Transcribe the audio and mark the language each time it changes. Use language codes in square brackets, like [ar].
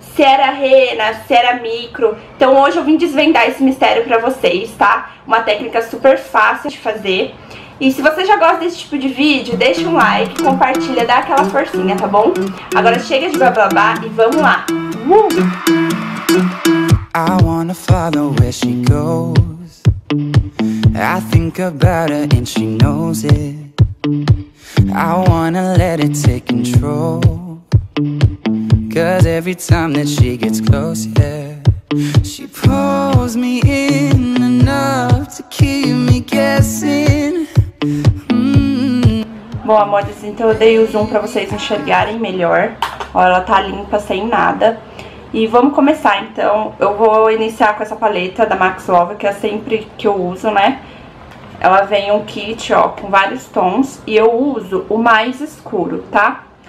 [pt] Se era rena, se era micro. Então hoje eu vim desvendar esse mistério pra vocês, tá? Uma técnica super fácil de fazer. E se você já gosta desse tipo de vídeo, deixa um like, compartilha, dá aquela forcinha, tá bom? Agora chega de blá blá blá e vamos lá! [en] I wanna follow where she goes. I think about her and she knows it. I wanna let it take control. Cause every time that she gets close, yeah, she pulls me in enough to keep me guessing. [pt] Bom, amores, então eu dei o zoom pra vocês enxergarem melhor. Ó, ela tá limpa, sem nada. E vamos começar, então. Eu vou iniciar com essa paleta da Max Love, que é sempre que eu uso, né? Ela vem um kit, ó, com vários tons. E eu uso o mais escuro, tá?